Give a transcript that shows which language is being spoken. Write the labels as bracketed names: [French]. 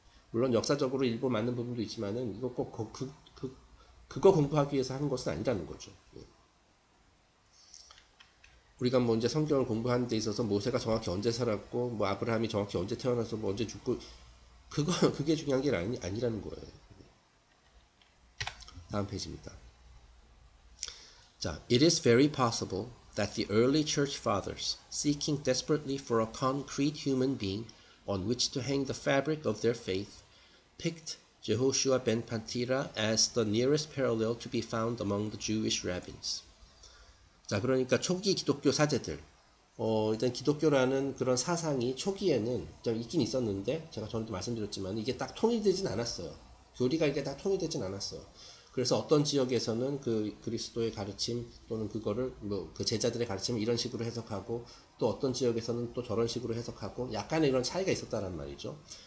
[Korean] 물론 역사적으로 일부 맞는 부분도 있지만은 이거 꼭 그거 공부하기 위해서 하는 것은 아니라는 거죠. 우리가 뭐 이제 성경을 공부하는 데 있어서 모세가 정확히 언제 살았고 뭐 아브라함이 정확히 언제 태어나서 뭐 언제 죽고 그게 중요한 게 아니라는 거예요. 다음 페이지입니다. [English] 자, It is very possible that the early church fathers, seeking desperately for a concrete human being on which to hang the fabric of their faith, picked Jehoshua ben Pantira as the nearest parallel to be found among the Jewish rabbins. [Korean] 자, 그러니까 초기 기독교 사제들, 일단 기독교라는 그런 사상이 초기에는 좀 있긴 있었는데 제가 전에도 말씀드렸지만 이게 딱 통일되진 않았어요. 교리가 이게 딱 통일되진 않았어요. 그래서 어떤 지역에서는 그 그리스도의 가르침 또는 그거를 뭐그 제자들의 가르침 이런 식으로 해석하고 또 어떤 지역에서는 또 저런 식으로 해석하고 약간의 이런 차이가 있었다란 말이죠.